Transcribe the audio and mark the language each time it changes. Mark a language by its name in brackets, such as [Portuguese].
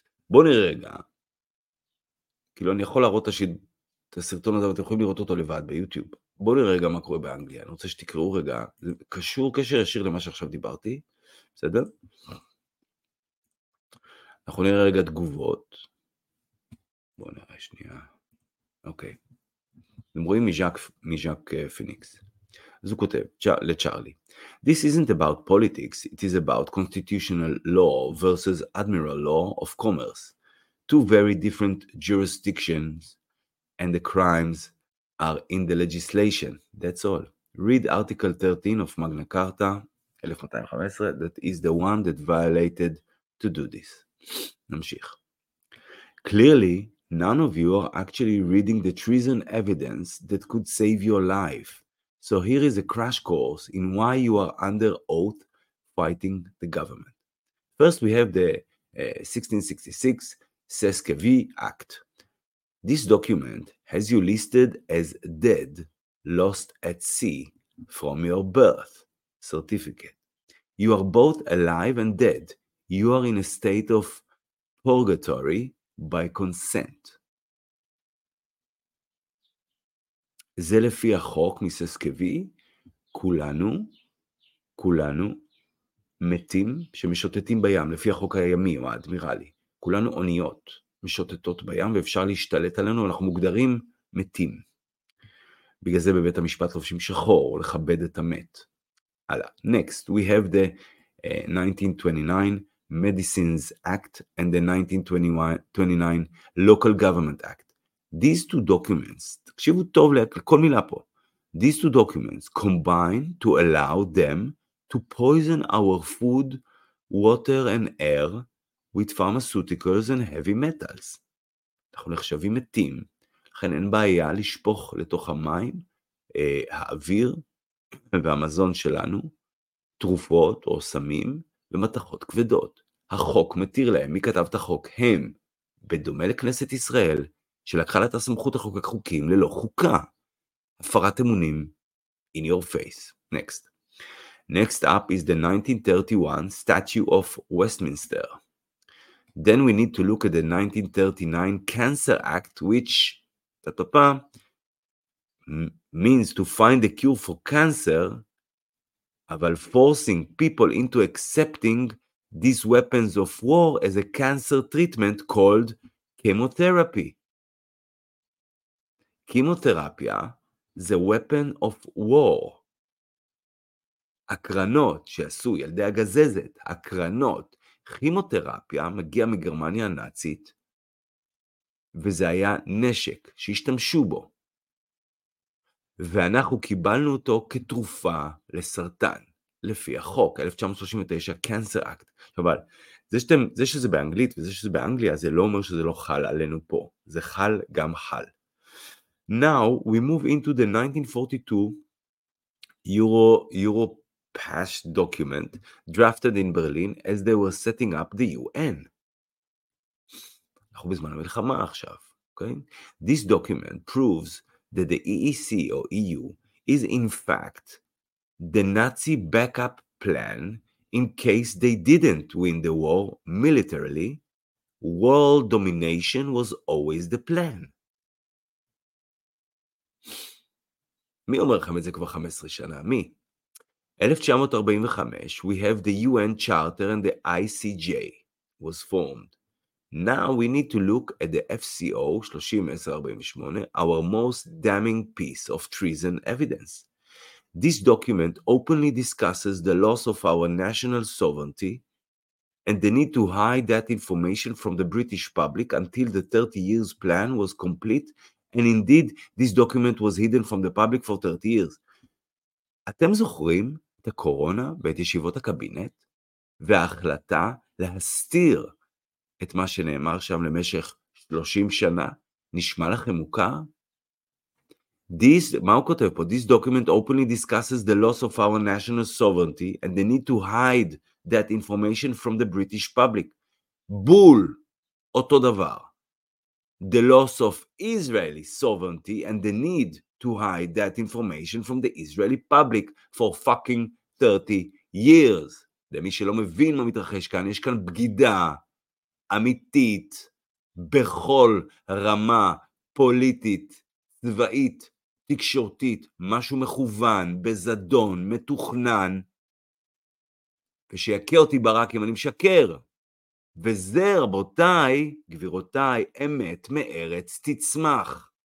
[Hebrew] בוא נראה רגע, כאילו אני יכול להראות את הסרטון הזה, ואתם יכולים לראות אותו לבד ביוטיוב. בואו נראה רגע מה קורה באנגליה, אני רוצה שתקראו רגע, זה קשור, קשר ישיר למה שעכשיו דיברתי, בסדר? אנחנו נראה רגע תגובות, בואו נראה שנייה, אוקיי. אתם רואים מז'אק פיניקס, אז הוא כותב לצ'ארלי, [English] This isn't about politics, it is about constitutional law versus admiral law of commerce. Two very different jurisdictions and the crimes are in the legislation. That's all. Read Article 13 of Magna Carta, 1215, that is the one that violated to do this. [Hebrew] נמשיך. [English] Clearly, none of you are actually reading the treason evidence that could save your life. So here is a crash course in why you are under oath fighting the government. First, we have the 1666 Seskevi Act. This document has you listed as dead, lost at sea from your birth certificate. You are both alive and dead. You are in a state of purgatory by consent. [Hebrew] זה לפי החוק מססקבי, כולנו מתים שמשוטטים בים, לפי החוק הימי או האדמירלי. כולנו אוניות משוטטות בים ואפשר להשתלט עלינו, אנחנו מוגדרים מתים. בגלל זה בבית המשפט לובשים שחור, לכבד את המת. הלאה. [English] Next, we have the 1929 Medicines Act and the 1929 Local Government Act. These two documents, [Hebrew] תקשיבו טוב לכל מילה פה, [English] these two documents combine to allow them to poison our food, water and air with pharmaceuticals and heavy metals. [Hebrew] אנחנו נחשבים מתים, לכן אין בעיה לשפוך לתוך המים, האוויר והמזון שלנו, תרופות או סמים ומתכות כבדות. החוק מתיר להם, מי כתב את החוק? הם, בדומה לכנסת ישראל, שלקחה לה את הסמכות לחוקק חוקים ללא חוקה. הפרת אמונים, [English] in your face. Next. Next up is the 1931 Statute of Westminster. Then we need to look at the 1939 Cancer Act, which, ta-ta-pa, means to find a cure for cancer, [Hebrew] אבל [English] forcing people into accepting these weapons of war as a cancer treatment called chemotherapy. [Hebrew] כימותרפיה זה [English] weapon of war. [Hebrew] הקרנות שעשו ילדי הגזזת, הקרנות, כימותרפיה מגיע מגרמניה הנאצית, וזה היה נשק שהשתמשו בו. ואנחנו קיבלנו אותו כתרופה לסרטן, לפי החוק, 1939, Cancer Act. אבל זה שזה באנגלית וזה שזה באנגליה, זה לא אומר שזה לא חל עלינו פה. זה חל גם חל. [English] Now we move into the 1942 Europass document drafted in Berlin as they were setting up the UN. [Hebrew] אנחנו בזמן המלחמה עכשיו, [English] okay? This document proves that the EEC or EU is in fact the Nazi backup plan in case they didn't win the war militarily. World domination was always the plan. [Hebrew] מי אומר לכם את זה כבר 15 שנה? מי? [English] 1945, we have the UN Charter and the ICJ was formed. Now we need to look at the FCO 30-1048, our most damning piece of treason evidence. This document openly discusses the loss of our national sovereignty and the need to hide that information from the British public until the 30 years plan was complete. And indeed, this document was hidden from the public for 30 years. [Hebrew] אתם זוכרים את הקורונה ואת ישיבות הקבינט וההחלטה להסתיר את מה שנאמר שם למשך 30 שנה? נשמע לכם מוכר? מה הוא כותב פה? [English] This document openly discusses the loss of our national sovereignty and the need to hide that information from the British public. [Hebrew] בול, אותו דבר. [English] The loss of Israeli sovereignty and the need to hide that information from the Israeli public for fucking 30 years. [Hebrew] למי שלא מבין מה מתרחש כאן, יש כאן בגידה אמיתית בכל רמה פוליטית, צבאית, תקשורתית, משהו מכוון, בזדון, מתוכנן. ושיקה אותי ברק אם אני משקר. וזה רבותיי, גבירותיי, אמת מארץ תצמח.